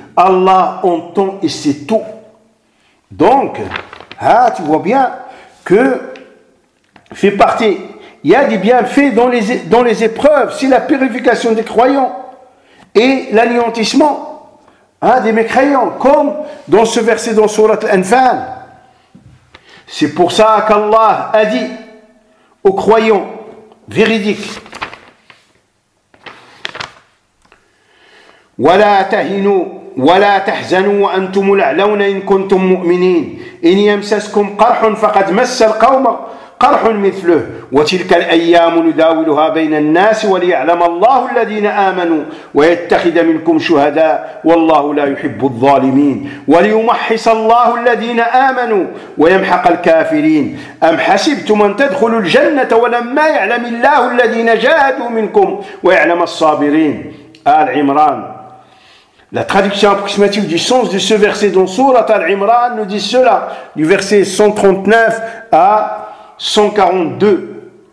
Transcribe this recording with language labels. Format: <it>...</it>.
<fr>Allah entend et sait tout. Donc, ah, tu vois bien que fait partie, il y a des bienfaits dans les épreuves, c'est la purification des croyants et l'anéantissement, hein, des mécréants, comme dans ce verset dans Sourate Al-Anfal. C'est pour ça qu'Allah a dit aux croyants véridiques:</fr> <ar>وَلَا تَهِنُوا وَلَا تَحْزَنُوا وَأَنْتُمُ الْأَعْلَوْنَ إِن كُنْتُم مُؤْمِنِينَ إِن يَمْسَسْكُمْ قَرْحٌ فَقَدْ مَسَّ الْقَوْمَ قَرْحٌ مِثْلُهُ وَتِلْكَ الْأَيَّامُ نُدَاوِلُهَا بَيْنَ النَّاسِ وَلِيَعْلَمَ اللَّهُ الَّذِينَ آمَنُوا وَيَتَّخِذَ مِنْكُمْ شُهَدَاءَ وَاللَّهُ لَا يُحِبُّ الظَّالِمِينَ وَلِيُمَحِّصَ اللَّهُ الَّذِينَ آمَنُوا وَيَمْحَقَ الْكَافِرِينَ أَمْ حَسِبْتُمْ أَن تَدْخُلُوا الْجَنَّةَ وَلَمَّا يَعْلَمِ اللَّهُ الَّذِينَ جَاهَدُوا مِنْكُمْ وَيَعْلَمَ الصَّابِرِينَ.</ar> <fr>Al-Imran. La traduction approximative du sens de ce verset dans Sourate Al-Imran nous dit cela, du verset 139 à 142.</fr>